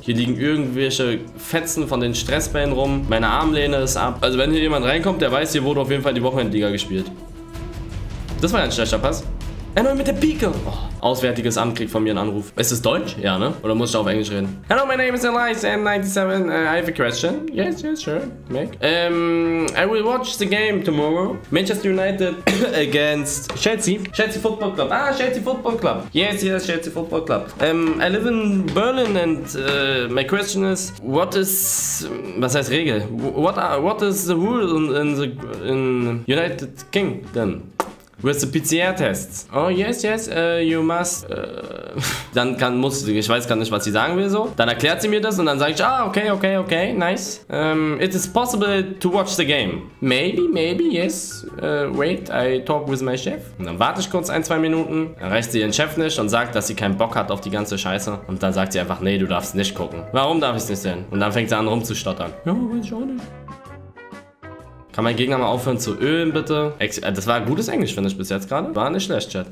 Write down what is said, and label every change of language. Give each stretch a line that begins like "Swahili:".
German: Hier liegen irgendwelche Fetzen von den Stressbällen rum. Meine Armlehne ist ab. Also wenn hier jemand reinkommt, der weiß, hier wurde auf jeden Fall die Wochenendliga gespielt. Das war ja ein schlechter Pass. Erneut mit der Pike. Oh. Auswärtiges Amt kriegt von mir einen Anruf. Ist es Deutsch? Ja, ne? Oder muss ich auf Englisch reden?
English: Hello, my name is Elias, M97. I have a question. Yes, yes, sure. Make. I will watch the game tomorrow. Manchester United against Chelsea. Chelsea Football Club. Ah, Chelsea Football Club. Yes, yes, Chelsea Football Club. I live in Berlin and my question is,
German: was heißt Regel?
English: What is the rule in United Kingdom? With the PCR-Tests. Oh, yes, yes, you must,
German: ich weiß gar nicht, was sie sagen will, so. Dann erklärt sie mir das und dann sage ich,
English: okay, nice. It is possible to watch the game. Maybe, yes. Wait, I talk with my chef.
German: Und dann warte ich kurz 1-2 Minuten. Dann reicht sie ihren Chef nicht und sagt, dass sie keinen Bock hat auf die ganze Scheiße. Und dann sagt sie einfach, nee, du darfst nicht gucken. Warum darf ich es nicht sehen? Und dann fängt sie an rumzustottern. Ja, weiß ich auch nicht. Kann mein Gegner mal aufhören zu ölen, bitte? Das war gutes Englisch, finde ich, bis jetzt gerade. War nicht schlecht, Chat.